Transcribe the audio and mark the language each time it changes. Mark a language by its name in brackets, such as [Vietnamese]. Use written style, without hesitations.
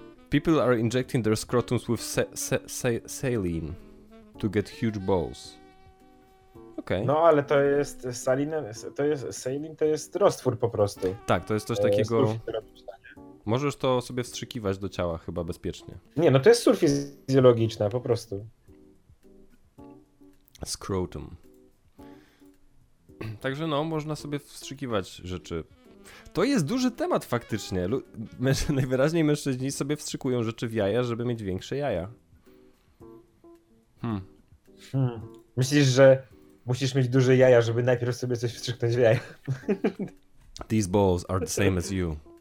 [English] People are injecting their scrotums with saline to get huge balls. Okay. [Polish] No, ale to jest saline, to jest saline, to jest roztwór po prostu. Tak, to jest coś takiego. Możesz to sobie wstrzykiwać do ciała chyba bezpiecznie. Nie, no to jest sól fizjologiczna po prostu. [English] Scrotum. [Polish] Także no, można sobie wstrzykiwać rzeczy. To jest duży temat faktycznie. Najwyraźniej mężczyźni sobie wstrzykują rzeczy w jaja, żeby mieć większe jaja. Myślisz, że musisz mieć duże jaja, żeby najpierw sobie coś wstrzyknąć w jaja? [English] These balls are the same as you.